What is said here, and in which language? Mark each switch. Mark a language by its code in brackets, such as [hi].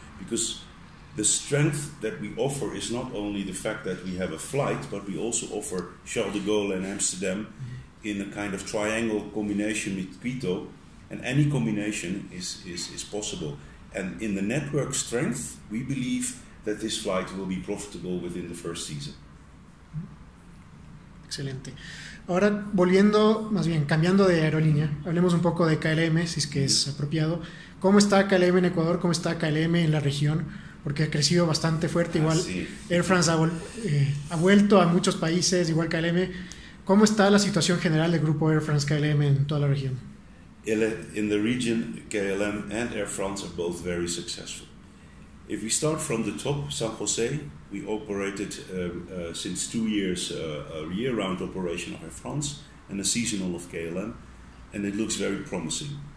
[en] Because the strength that we offer is not only the fact that we have a flight, but we also offer Charles de Gaulle and Amsterdam mm-hmm. in a kind of triangle combination with Quito, and any combination is possible. And in the network strength, we believe that this flight will be profitable within the first season. [es] Excelente. Ahora, volviendo, más bien, cambiando de aerolínea, hablemos un poco de KLM, si es que es apropiado. ¿Cómo está KLM en Ecuador? ¿Cómo está KLM en la región? Porque ha crecido bastante fuerte. Igual Air France ha vuelto a muchos países, igual KLM. ¿Cómo está la situación general del grupo Air France KLM en toda la región? [en] in the region, KLM and Air France are both very successful. If we start from the top, San Jose, we operated since 2 years a year-round operation of Air France and a seasonal of KLM, and it looks very promising.